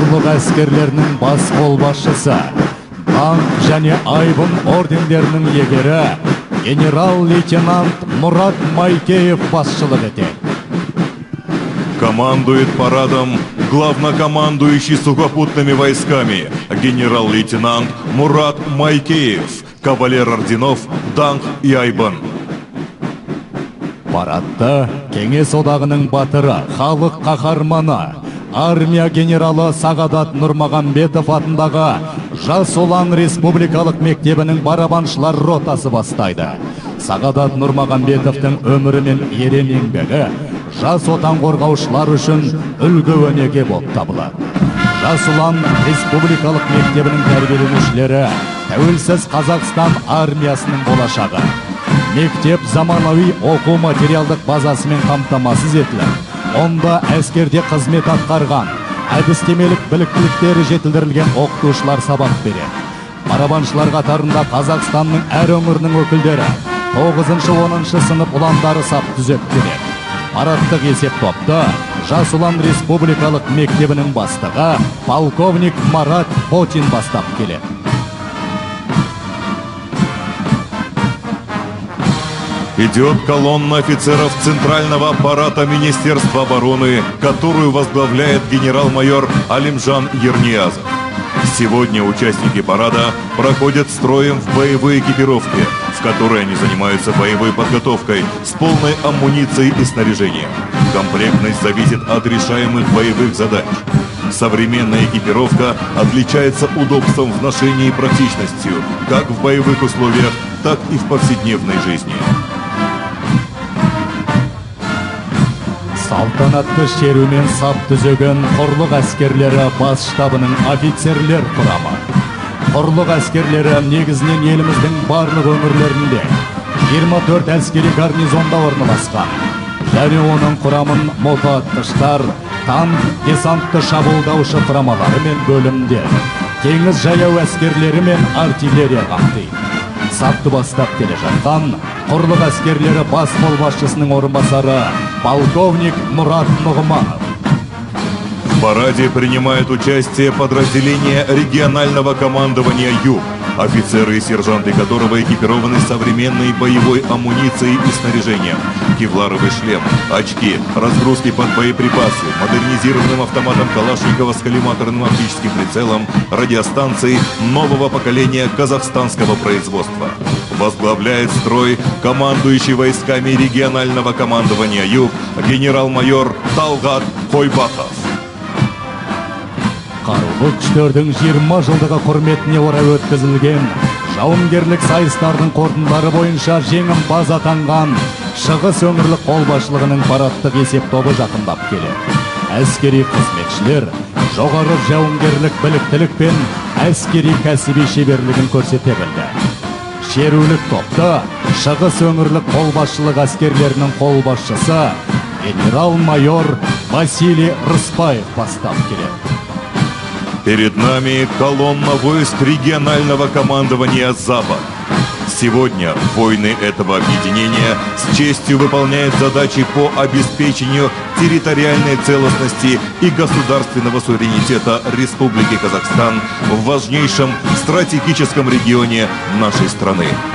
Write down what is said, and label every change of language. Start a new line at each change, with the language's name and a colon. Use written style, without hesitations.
Kazakh: Әскерлерінің бас қолбасшысы, танк және айбын ордендерінің егері генерал-лейтенант Мұрат Майкеев басшылық етеді.
Russian: Командует парадом главнокомандующий сухопутными войсками генерал-лейтенант Мұрат Майкеев, кавалер орденов танк и айбын.
Kazakh: Парадта Кеңес одағының батыры, халық қаһарманы, армия генералы Сағадат Нұрмағанбетов атындағы Жас Улан республикалық мектебінің барабаншылар ротасы бастайды. Сағадат Нұрмағамбетовтың өмірі мен ерен еңбегі жас отан қорғаушылар үшін үлгі өнеге болып табылады. Жас Улан республикалық мектебінің тәрбиеленушілері тәуелсіз Қазақстан армиясының болашағы. Мектеп заманауи оқу материалдық базасымен қамтамасыз етіліп, онда әскерде қызмет атқарған, әдістемелік біліктіліктері жетілдірілген оқытушылар сабақ береді. Барабаншылар қатарында Қазақстанның әр өңірінің өкілдері 9-10 сынып ұландары сап түзеп келеді. Парадтық есеп топты Жас Улан республикалық мектебінің бастығы полковник Марат Потин бастап келеді.
Russian: Идет колонна офицеров Центрального аппарата Министерства обороны, которую возглавляет генерал-майор Алимжан Ерниязов. Сегодня участники парада проходят строем в боевой экипировке, в которой они занимаются боевой подготовкой с полной амуницией и снаряжением. Комплектность зависит от решаемых боевых задач. Современная экипировка отличается удобством в ношении и практичностью, как в боевых условиях, так и в повседневной жизни.
Kazakh: Салтанатты шерумен сап түзеген құрлық әскерлері бас штабының офицерлер құрамы. Құрлық әскерлері негізінен еліміздің барлық өңірлерінде 24 әскери гарнизонда орналасқан. Және оның құрамын мотоатқыштар, танк, десантты шабуылдаушы құрамалары мен бөлімдер, теңіз жаяу әскерлері мен артиллерия қамтиды. Сапты бастап келе жатқан құрлық әскерлері бас қолбасшысының орынбасары полковник Мұрат Нұғыманов.
Russian: В параде принимают участие подразделения регионального командования Юг, офицеры и сержанты которого экипированы современной боевой амуницией и снаряжением. Кевларовый шлем, очки, разгрузки под боеприпасы, модернизированным автоматом Калашникова с коллиматорным оптическим прицелом, радиостанции нового поколения казахстанского производства. Возглавляет строй командующий войсками регионального командования Юг генерал-майор Талгат Койбатов.
Kazakh: Қарулы күштердің 20 жылдығы құрметіне орай өткізілген жауынгерлік сайыстардың қорытындылары бойынша жеңімпаз атанған Шығыс өңірлік қолбасшылығының парадтық есеп тобы жақындап келеді. Әскери қызметшілер жоғары жауынгерлік біліктілік пен әскери кәсіби шеберлігін көрсете білді. Шерулік топты Шығыс өңірлік қолбасшылық әскерлерінің қолбасшысы генерал-майор Василий Рыспаев бастап келеді.
Russian: Перед нами колонна войск регионального командования «Запад». Сегодня воины этого объединения с честью выполняют задачи по обеспечению территориальной целостности и государственного суверенитета Республики Казахстан в важнейшем стратегическом регионе нашей страны.